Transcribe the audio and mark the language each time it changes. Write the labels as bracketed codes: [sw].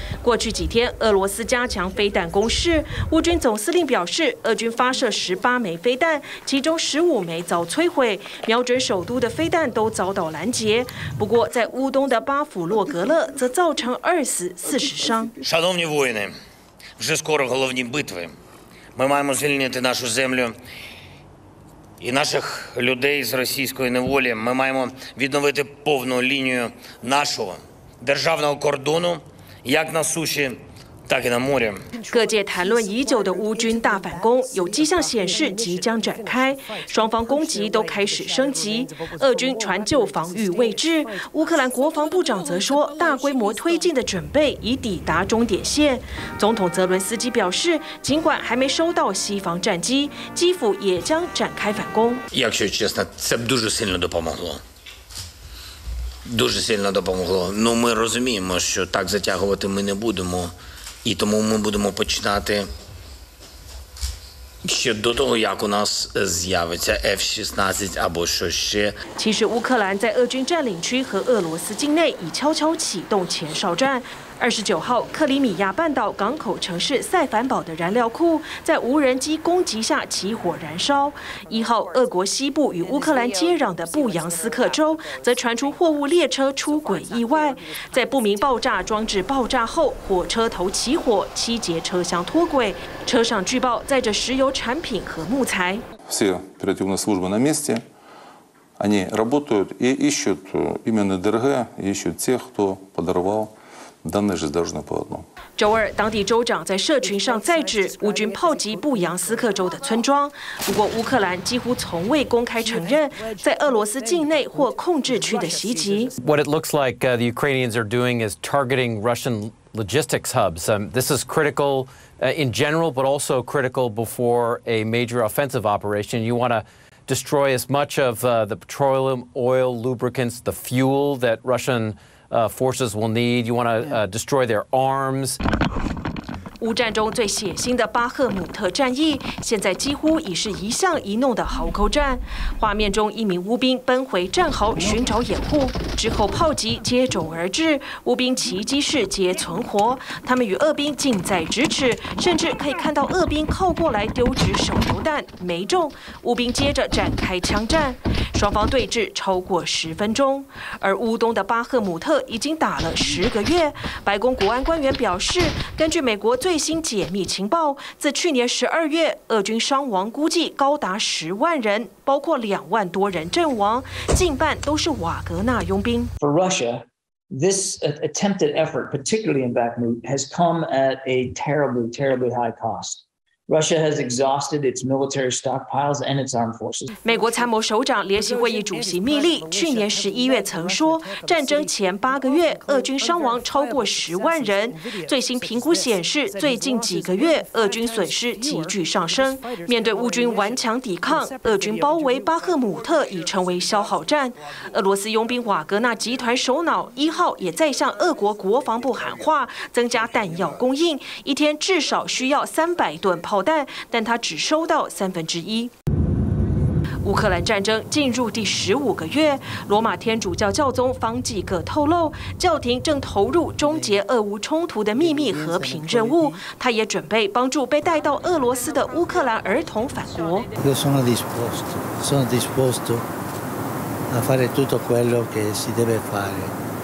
[zh] 过去几天，俄罗斯加强飞弹攻势。乌军总司令表示，俄军发射18枚飞弹，其中15枚遭摧毁，瞄准首都的飞弹都遭到拦截。不过，在乌东的巴甫洛格勒则造成20死40伤。 [uk] Шановні воїни, вже скоро головні битви. Ми маємо звільнити нашу землю і наших людей з російської неволі. Ми маємо відновити повну лінію нашого державного кордону, як на суші, так і на морі. [zh] 各界谈论已久的乌军大反攻，有迹象显示即将展开，双方攻击都开始升级。俄军传就防御位置，乌克兰国防部长则说，大规模推进的准备已抵达终点线。总统泽伦斯基表示，尽管还没收到西方战机，基辅也将展开反攻。 [uk] Якщо чесно, це б дуже сильно допомогло. Дуже сильно допомогло. Ну, ми розуміємо, що так затягувати ми не будемо, і тому ми будемо починати ще до того, як у нас з'явиться F-16 або що ще. [zh] 其实乌克兰在俄军占领区和俄罗斯境内已悄悄启动前哨战。 29号，克里米亚半岛港口城市塞凡堡的燃料库在无人机攻击下起火燃烧。 1号，俄国西部与乌克兰接壤的布扬斯克州则传出货物列车出轨意外，在不明爆炸装置爆炸后，火车头起火，7节车厢脱轨，车上据报载着石油产品和木材。 [ru] Все оперативные службы на месте, они работают и ищут именно ДРГ, ищут тех, кто подорвал. [zh] 周二，当地州长在社群上再指乌军炮击布扬斯克州的村庄。不过，乌克兰几乎从未公开承认在俄罗斯境内或控制区的袭击。 [en] What it looks like the Ukrainians are doing is targeting Russian logistics hubs. This is critical in general, but also critical before a major offensive operation. You want to destroy as much of the petroleum, oil, lubricants, the fuel that Russian forces will need. You want to destroy their arms. [zh] 乌战中最血腥的巴赫姆特战役，现在几乎已是一巷一弄的壕沟战。画面中，一名乌兵奔回战壕寻找掩护，之后炮击接踵而至，乌兵奇迹式皆存活。他们与俄兵近在咫尺，甚至可以看到俄兵靠过来丢掷手榴弹，没中，乌兵接着展开枪战，双方对峙超过10分钟。而乌东的巴赫姆特已经打了10个月，白宫国安官员表示，根据美国最新解密情报，自去年12月，俄军伤亡估计高达10万人，包括2万多人阵亡，近半都是瓦格纳佣兵。 [en] For Russia, this attempted effort, particularly in Bakhmut, has come at a terribly, terribly high cost. Russia has exhausted its military stockpiles and its armed forces. [zh] 美国参谋首长联席会议主席密利去年11月曾说，战争前8个月，俄军伤亡超过10万人。最新评估显示，最近几个月，俄军损失急剧上升。面对乌军顽强抵抗，俄军包围巴赫姆特已成为消耗战。俄罗斯佣兵瓦格纳集团首脑1号也在向俄国国防部喊话，增加弹药供应，一天至少需要300吨。炮弹，但他只收到1/3。乌克兰战争进入第15个月，罗马天主教教宗方济各透露，教廷正投入终结俄乌冲突的秘密和平任务。他也准备帮助被带到俄罗斯的乌克兰儿童返国。 [it] Io sono disposto, a fare tutto quello che si deve fare.